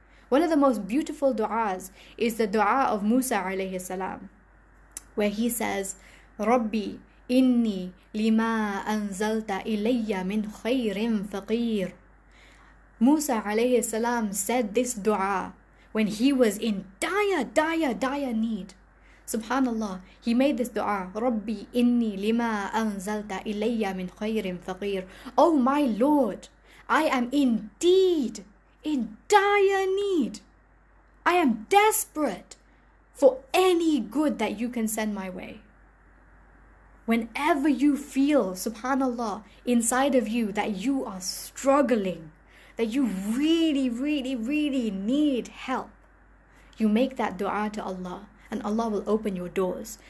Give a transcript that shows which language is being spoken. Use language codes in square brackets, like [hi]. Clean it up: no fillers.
[en] One of the most beautiful du'as is the dua of Musa alayhi salam, where he says, Rabbi, [ar] إني لما أنزلت إلي من خير فقير. موسى عليه السلام [en] said this dua when he was in dire need. SubhanAllah, he made this dua. [ar] ربي إني لما أنزلت إلي من خير فقير. [en] Oh my Lord, I am indeed in dire need. I am desperate for any good that you can send my way. Whenever you feel, subhanAllah, inside of you that you are struggling, that you really, really, really need help, you make that dua to Allah and Allah will open your doors.